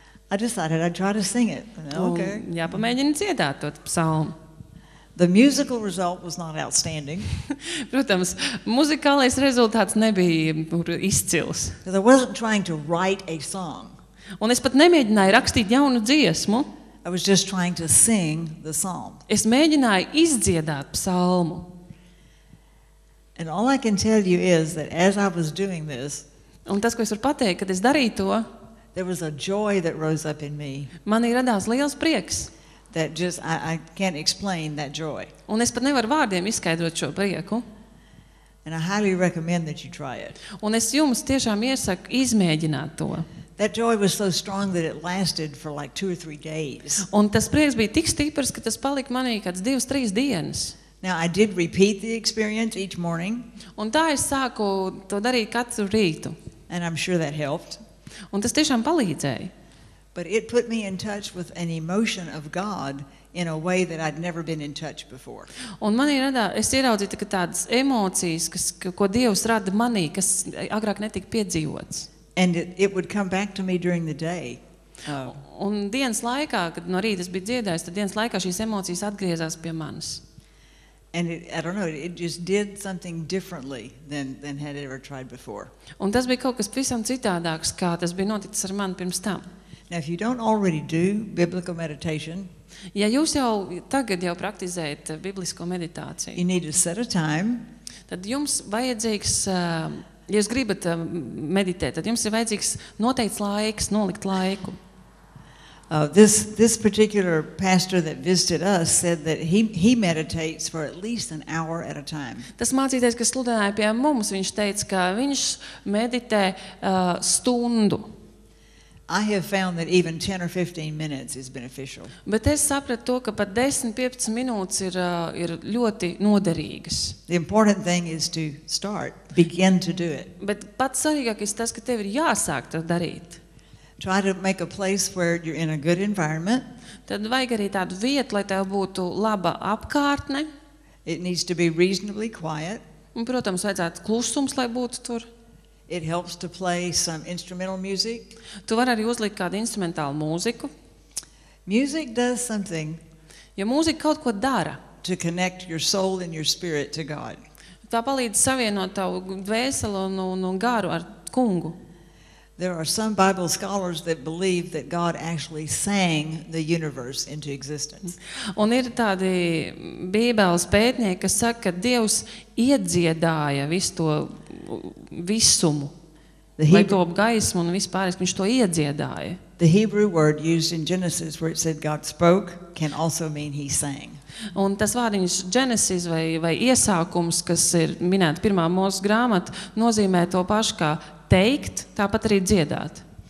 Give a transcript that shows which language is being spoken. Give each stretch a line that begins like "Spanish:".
English: I decided I'd try to sing it. Okay.
Latvian: Jā, pamēģinu dziedāt to psalmu.
English: The musical result was not outstanding.
Latvian: Protams, muzikālais rezultāts nebija izcils.
English: I wasn't trying to write a song.
Latvian: Un es pat nemēģināju rakstīt jaunu dziesmu.
English: I was just trying to sing the psalm.
Latvian: Es mēģināju izdziedāt psalmu.
English: And all I can tell you is that as I was doing this,
Latvian: un tas, ko es varu pateikt, kad es darīju to,
English: there was a joy that rose up in me.
Latvian: Manī radās liels prieks.
English: That just I can't explain that joy.
Latvian: Un es pat nevaru vārdiem izskaidrot šo prieku.
English: And I highly recommend that you try it.
Latvian: Un es jums tiešām iesaku izmēģināt to.
English: That joy was so strong that it lasted for like 2 or 3 days.
Latvian: Un tas prieks bija tik stiprs, ka tas palika manī kāds 2-3 dienas.
English: Now I did repeat the experience each morning.
Latvian: Un tā es sāku to darīt katru rītu.
English: And I'm sure that helped.
Latvian: Un tas tiešām palīdzēja.
English: But it put me in touch with an emotion of God in a way that I'd never been in touch before.
Latvian: Un manī radā, es ieraudzīju tikai tādas emocijas, kas, ko Dievs rada manī, kas agrāk netika piedzīvots.
English: And it would come back to me during the day.
Latvian: Un dienas laikā, kad no rīta es biju dziedājis, tad dienas laikā šīs emocijas atgriezās pie manis.
English: And it just did something differently than had ever tried before.
Latvian: Un tas bija kaut kas pavisam citādāks, kā tas bija noticis ar mani pirms tam.
English: Now, if you don't already do biblical meditation,
Latvian: ja jūs jau tagad jau praktizējat biblisko meditāciju,
English: you need to set a time.
Latvian: Tad jums vajadzīgs, ja jūs gribat meditēt, tad jums ir vajadzīgs noteikts laiks, nolikt laiku.
English: This particular pastor that visited us said that he meditates for at least an hour at a time.
Latvian: Tas mācītājs, kas sludināja pie mums, viņš teica, ka viņš meditē stundu.
English: I have found that even 10 or 15 minutes is beneficial.
Latvian: Bet es sapratu to, ka pat 10-15 minūtes ir ļoti noderīgas.
English: The important thing is to start, begin to do it.
Latvian: Bet pats svarīgākais tas, ka tev ir jāsāk to darīt.
English: Try to make a place where you're in a good environment.
Latvian: Tad vajag arī tādu vietu, lai tev būtu laba apkārtne.
English: It needs to be reasonably quiet.
Latvian: Un, protams, vajadzētu klusums, lai būtu tur.
English: It helps to play some instrumental music.
Latvian: Tu vari arī uzlikt kādu instrumentālu mūziku.
English: Music does something.
Latvian: Jo mūzika kaut ko dara.
English: to connect your soul and your spirit to God.
Latvian: Tā palīdz savienot tavu dvēseli un garu ar Kungu.
English: There are some Bible scholars that believe that God actually sang the universe into existence.
Latvian: Un ir tādi Bībeles pētnieki, kas saka, ka Dievs iedziedāja visu to visumu. Lai to gaismu un vispāris, viņš to iedziedāja.
English: The Hebrew word used in Genesis where it said God spoke can also mean he sang.
Latvian: Un tas vārdiņš Genesis vai iesākums, kas ir minēts pirmā Mozes grāmata, nozīmē to pašu kā teikt, tāpat arī dziedāt.